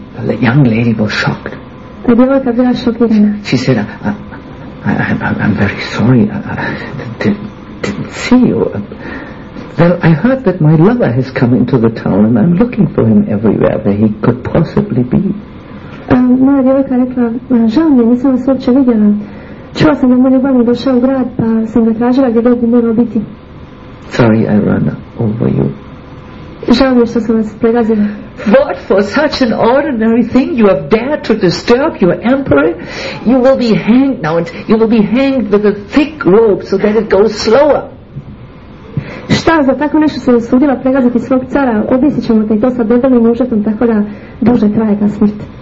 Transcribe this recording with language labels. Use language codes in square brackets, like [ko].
[en] Well, the young lady was shocked. [hr] Ta djevojka bila šokirana. [en] She said, I'm very sorry, I didn't see you. Well, I heard that my lover has come into the town and I'm looking for him everywhere where he could possibly be. [hr] Moja djevojka rekla, žao mi, nisam vas uopće vidjela. Čuo sam da moj ljubavnik došao u grad, pa sam ga tražila gdje god bi mogao biti. [en] Sorry, I ran over you. [hr] Žao mi što sam vas pregazila. [en] What for such an ordinary thing you have dared to disturb your emperor? You will be hanged now and you will be hanged with a thick rope so that it goes slower. [hr] Šta, za tako nešto se usudila pregaziti svog cara, objesit ćemo te i to sa debelim užetom, tako da duže traje ta smrt.